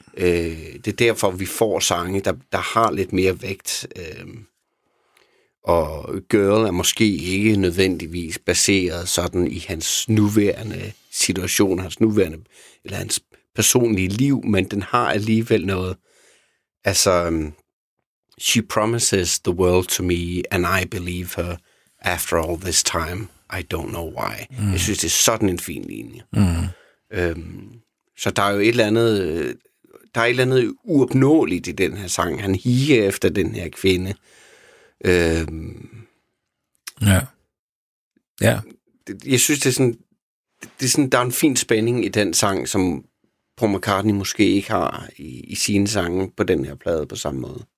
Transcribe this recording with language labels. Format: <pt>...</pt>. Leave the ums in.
<da>Øh, det er derfor, vi får sange, der, der har lidt mere vægt. Øh, og Girl er måske ikke nødvendigvis baseret sådan i hans nuværende situation, hans nuværende, eller hans personlige liv, men den har alligevel noget.</da> <en>Altså, øhm, She promises the world to me, and I believe her. After all this time, I don't know why. Mm.</en> <da>Jeg synes, det er sådan en fin linje. Mm. Øhm, så der er jo et eller andet... øh, Der er et eller andet uopnåeligt i den her sang. Han higer efter den her kvinde. Øhm, Ja. Ja. det- jeg synes, det er sådan, det er sådan, der er en fin spænding i den sang, som Paul McCartney måske ikke har i, i sine sange på den her plade på samme måde.</da>